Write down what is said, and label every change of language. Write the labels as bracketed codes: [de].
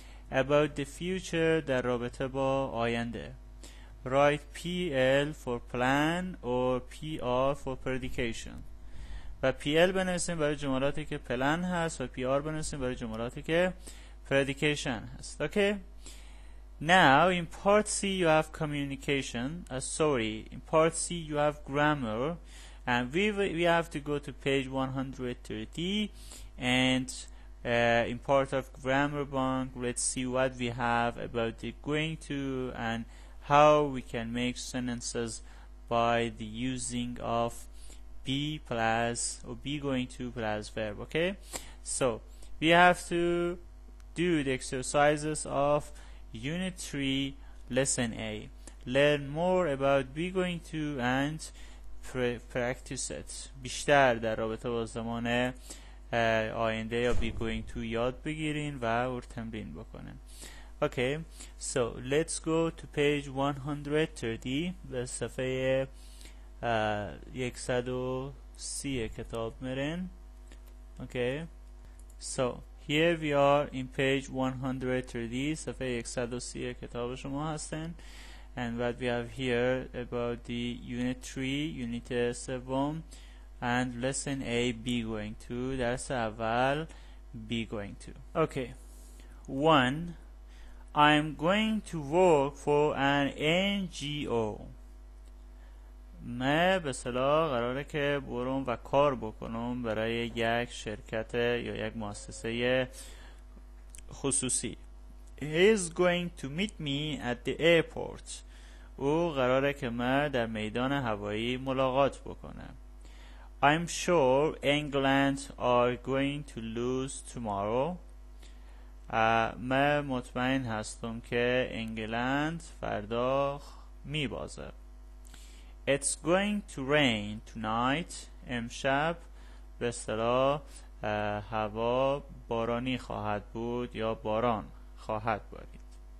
[en] About the future، [fa] در رابطه با آینده. [en] Write PL for plan or PR for predication. [fa] و PL بنویسیم برای جملاتی که پلان هست و PR بنویسیم برای جملاتی که پردیکیشن هست. [en] Okay. Now in part C you have communication. In part C you have grammar, and we have to go to page 130. And in part of grammar bank, let's see what we have about the going to and how we can make sentences by the using of be plus or be going to plus verb. Okay, so we have to do the exercises of Unit 3, Lesson A. Learn more about be going to and practice it. [fa] بیشتر در رابطه با زمان آینده یا be going to یاد بگیرین و اور تمرین بکنین. [en] Okay, so let's go to page 130 [fa] به صفحه 130 کتاب میرین. [en] Okay, so here we are in page 130 [fa] صفحه 130 کتاب شما هستن. [en] And what we have here about the unit 3, unit 7 and lesson A, be going to. [fa] درس اول, [en] be going to. Okay, 1. I'm going to work for an NGO. [fa] من به اصطلاح قراره که برم و کار بکنم برای یک شرکت یا یک مؤسسه خصوصی. [en] He is going to meet me at the airport. [fa] او قراره که من در میدان هوایی ملاقات بکنم. [en] I'm sure England are going to lose tomorrow. [fa] من مطمئن هستم که انگلند فردا می بازه. [en] It's going to rain tonight. [fa] امشب به اصطلاح هوا بارانی خواهد بود یا باران خواهد بارید.